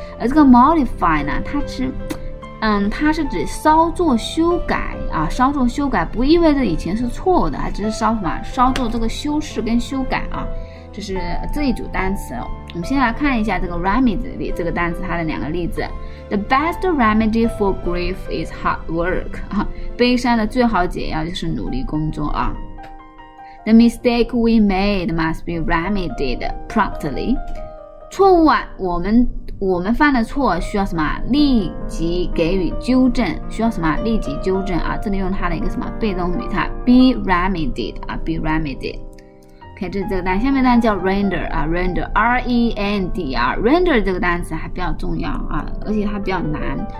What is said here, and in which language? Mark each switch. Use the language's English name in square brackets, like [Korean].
[Chinese] 而这个 modify 呢，它是，它是指稍作修改啊，稍作修改不意味着以前是错的，它只是稍什么，稍作这个修饰跟修改啊。这是这一组单词。我们先来看一下这个 remedy 这个单词，它的两个例子。 [English] The best remedy for grief is hard work. [Chinese] 悲伤的最好解药就是努力工作啊。 [English] The mistake we made must be remedied promptly. [Chinese] 错误啊，我们犯的错需要什么？立即给予纠正，需要什么？立即纠正啊！这里用它的一个什么被动语态 ？ [English] Be remedied [Chinese] 啊 ， [English] be remedied。 [Chinese] OK， 这是这个单词。下面单词叫 render 啊 ，render，R-E-N-D-R，render 这个单词还比较重要啊，而且它比较难。